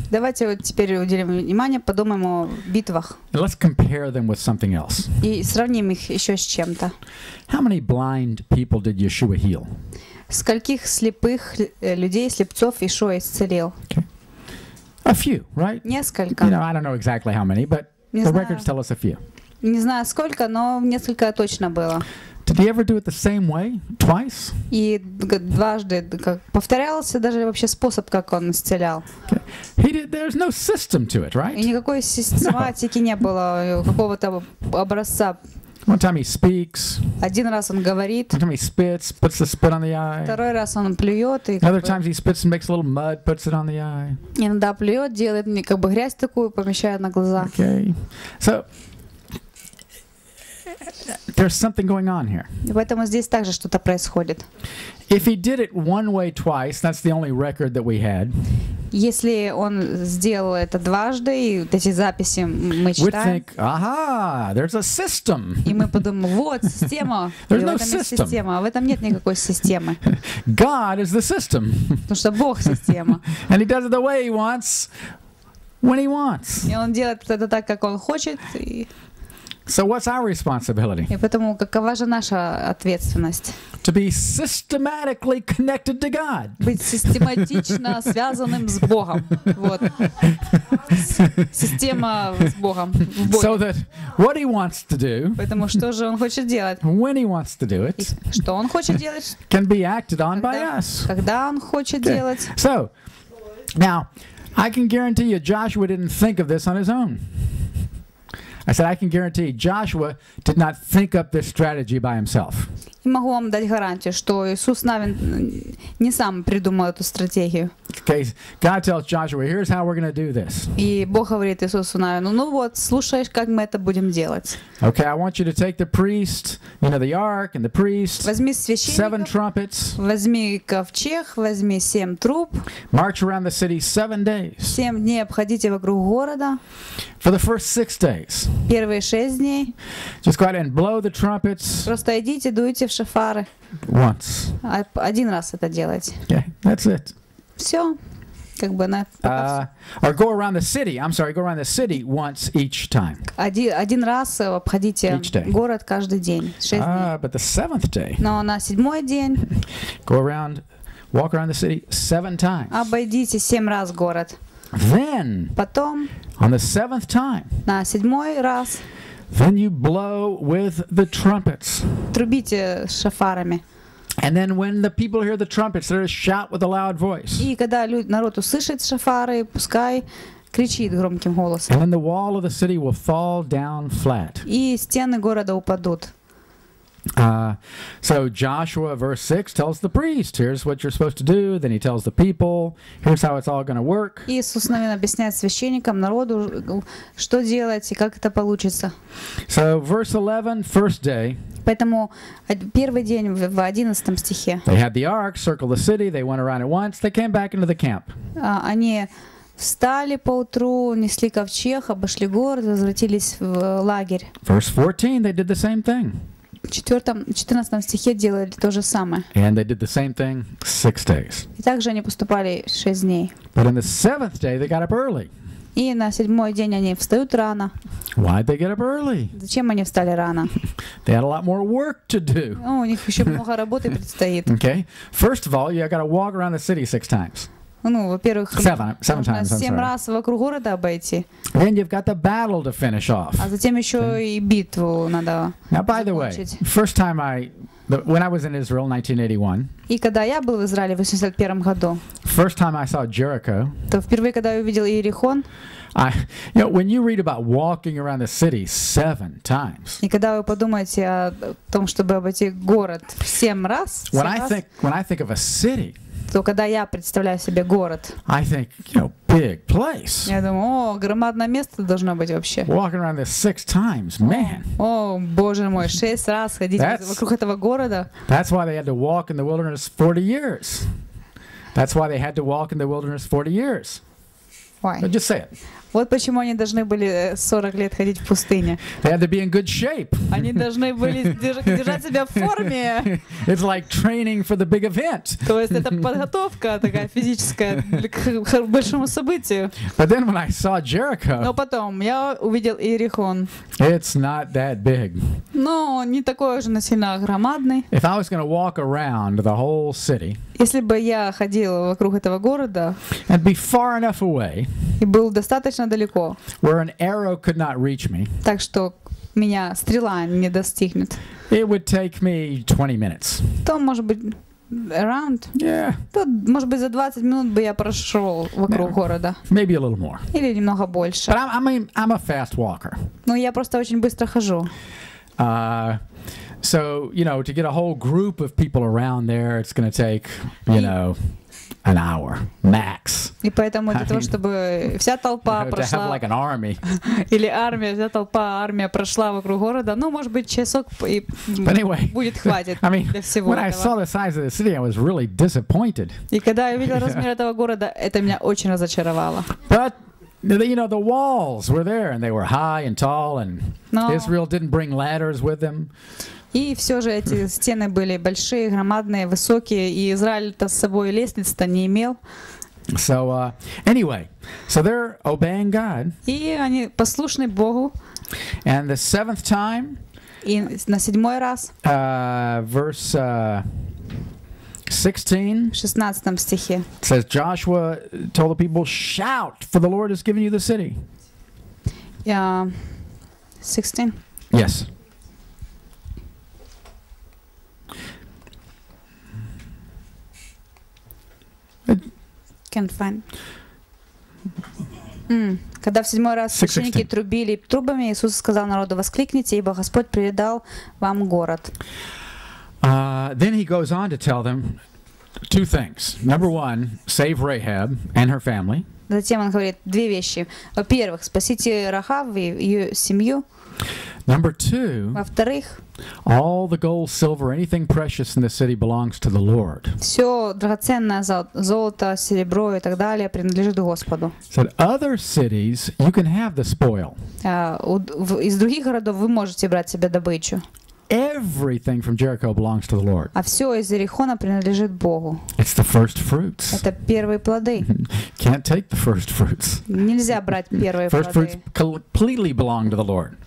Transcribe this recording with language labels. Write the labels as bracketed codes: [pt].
[ru] Давайте вот теперь уделим внимание, подумаем о битвах. [en] And let's compare them with something else. [ru] И сравним их еще с чем-то. [en] How many blind people did Yeshua heal? [ru] Скольких слепых людей, слепцов Иешуа исцелил? [en] Okay. A few, right? [ru] Несколько. [en] You know, I don't know exactly how many, but the records tell us a few. [ru] Не знаю сколько, но несколько точно было. [en] Did he ever do it the same way, twice? [ru] И дважды повторялся даже вообще способ, как он исцелял. [en] Okay. There's no system to it, right? [ru] И никакой систематики не было, какого-то образца. [en] One time he speaks. [ru] Один раз он говорит. [en] One time he spits, puts the spit on the eye. [ru] Второй раз он плюет и. [en] Other times he spits and makes a little mud, puts it on the eye. [ru] Иногда плюет, делает мне как бы грязь такую, помещает на глаза. [en] Okay, so there's something going on here. [ru] Поэтому здесь также что-то происходит. [en] If he did it one way twice, that's the only record that we had. [ru] Если он сделал это дважды, и вот эти записи мы читаем, [en] we think, aha, there's a system. [ru] И мы подумаем, вот система, [en] there's no [ru] в этом [en] system. [ru] Есть система, а в этом нет никакой системы. [en] God is the system. [ru] Потому что Бог система. [en] And he does it the way he wants, when he wants. [ru] И он делает это так, как он хочет. И... [en] So what's our responsibility? [ru] И поэтому какова же наша ответственность? [en] To be systematically connected to God. [ru] Быть систематично связанным с Богом. Вот. Система с Богом. [en] So that what he wants to do. [ru] Поэтому что же он хочет делать? [en] When he wants to do it. [ru] Что он хочет делать? [en] Can be acted on by us. [ru] Когда он хочет делать? [en] So now I can guarantee you Joshua didn't think of this on his own. I said, I can guarantee Joshua did not think up this strategy by himself. [ru] Могу вам дать гарантию, что Иисус Навин не сам придумал эту стратегию. [en] OK. Okay, God tells Joshua, here's how we're going to do this. [ru] И Бог говорит Иисусу Навину, ну вот, слушаешь, как мы это будем делать. [en] Okay, I want you to take the priest, you know, the ark and the priest. [ru] Возьми священников. [en] Seven trumpets. [ru] Возьми ковчег, возьми семь труб. [en] March around the city 7 days. [ru] Семь дней обходите вокруг города. [en] For the first 6 days. [ru] Первые 6 дней. [en] Just go ahead and blow the trumpets. [ru] Просто идите, дуйте в шофары. [en] Once. [ru] Один раз это делайте. [en] Okay, that's it. [ru] Все, как бы на. [en] Or go around the city. I'm sorry. Go around the city once each time. [ru] Один раз обходите город каждый день. Шесть дней. [en] But the seventh day. [ru] Но на седьмой день. [en] Go around, walk around the city 7 times. [ru] Обойдите 7 раз город. [en] Then. [ru] Потом. [en] On the seventh time. [ru] На седьмой раз. [en] Then you blow with the trumpets. [ru] Трубите шофарами. [en] And then when the people hear the trumpets, they're shout with a loud voice. [ru] И когда народ услышит шофары, пускай кричит громким голосом. [en] And then the wall of the city will fall down flat. [ru] И стены города упадут. [en] So Joshua verse 6 tells the priest, here's what you're supposed to do, then he tells the people, here's how it's all going to work. [ru] Иисус Навин объясняет священникам, народу, что делать и как это получится. [en] So verse 11, first day. [ru] Поэтому первый день в 11 стихе. [en] They had the ark, circled the city, they went around it once, they came back into the camp. [ru] Они встали поутру, несли ковчег, обошли город, возвратились в лагерь. [en] Verse 14, they did the same thing. [ru] В 14 стихе делали то же самое. [en] And they did the same thing 6 days. [ru] И также они поступали 6 дней. [en] But on the seventh day they got up early. [ru] И на седьмой день они встают рано. [en] Why'd they get up early? [ru] Зачем они встали рано? [en] They had a lot more work to do. [ru] Ну, у них еще много работы предстоит. [en] Okay. First of all, you got to walk around the city 6 times. [ru] Ну, во-первых, семь раз вокруг города обойти. [en] Then you've got the battle to finish off. [ru] А затем еще и битву надо закончить. [en] Now, by the way, first time when I was in Israel, 1981. [ru] И когда я был в Израиле в 81 году. [en] First time I saw Jericho. [ru] То впервые, когда я увидел Иерихон. [en] You know, when you read about walking around the city 7 times. [ru] И когда вы подумаете о том, чтобы обойти город 7 раз. [en] When I think of a city. [ru] То когда я представляю себе город, [en] I think, you know, big place. [ru] Я думаю, о, громадное место должно быть вообще. [en] Walking around there 6 times, man. [ru] О, боже мой, 6 раз ходить вокруг этого города. [en] That's why they had to walk in the wilderness 40 years. That's why they had to walk in the wilderness 40 years. Why? Just say it. [ru] Вот почему они должны были 40 лет ходить в пустыне. [en] They had to be in good shape. [ru] Они должны были держать себя в форме. [en] It's like training for the big event. [ru] То есть это подготовка такая физическая к большому событию. [en] But then when I saw Jericho. [ru] Но потом я увидел Иерихон. [en] It's not that big. [ru] Но не такой уж насильно громадный. [en] If I was going to walk around the whole city. [ru] Если бы я ходил вокруг этого города. [en] And be far enough away. [ru] И был достаточно далеко. [en] Where an arrow could not reach me. [ru] Так что меня стрела не достигнет. [en] It would take me 20 minutes. [ru] То, может быть, [en] around. Yeah. [ru] То, может быть, за 20 минут бы я прошел вокруг города. [en] Maybe a little more. [ru] Или немного больше. [en] But I'm a fast walker. [ru] Ну, я просто очень быстро хожу. [en] So, you know, to get a whole group of people around there, it's going to take, you know, an hour max. [ru] И поэтому для того, чтобы вся толпа прошла, [en] to have like an army. [ru] Или армия, вся толпа, армия прошла вокруг города, ну, может быть, часок и [en] anyway, [ru] будет хватит [en] I mean, [ru] для всего [en] when [ru] этого. [en] I saw the size of the city, I was really disappointed. [ru] И когда я увидел размер этого города, это меня очень разочаровало. [en] But you know, the walls were there, and they were high and tall, and Israel didn't bring ladders with them. [ru] И все же эти стены были большие, громадные, высокие, и Израиль-то с собой лестниц-то не имел. [en] So, anyway, so they're obeying God. [ru] И они послушны Богу. [en] And the seventh time. [ru] И на седьмой раз. [en] Verse 16. [ru] В 16 стихе. [en] Says Joshua told the people, shout, for the Lord has given you the city. Yeah, 16. Yes. Can't find. [ru] Когда в седьмой раз священники трубили трубами, Иисус сказал народу, воскликните, ибо Господь предал вам город. [en] Then he goes on to tell them, two things. Number one, save Rahab and her family. [ru] Затем он говорит две вещи. Во-первых, спасите Рахав и ее семью. [en] Number two. [ru] Во-вторых, [en] all the gold, silver, anything precious in the city belongs to the Lord. [ru] Все драгоценное золото, серебро и так далее принадлежит Господу. [en] So other cities, you can have the spoil. [ru] Из других городов вы можете брать себе добычу. [en] Everything from Jericho belongs to the Lord. [ru] А все из Иерихона принадлежит Богу. [en] It's the first fruits. [ru] Это первые плоды. [en] Can't take the first fruits. [ru] Нельзя брать первые плоды. [en] First fruits completely belong to the Lord.